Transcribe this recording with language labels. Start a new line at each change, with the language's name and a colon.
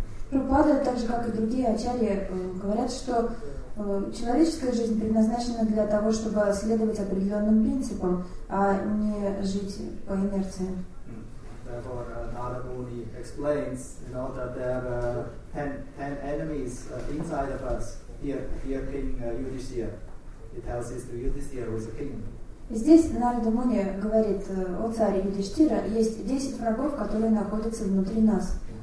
Russian: Прабхупада, так же как и другие ачарьи, говорят, что человеческая жизнь предназначена для того, чтобы следовать определенным принципам, а не жить по инерции.
English: Therefore, Narada Muni explains, you know, that there are ten enemies inside of us. Here King Yudhishthira. He tells this to Yudhishthira, who is a king.
Russian: Здесь Нарада Муни говорит о царе Юдиштира, есть 10 врагов, которые находятся внутри нас.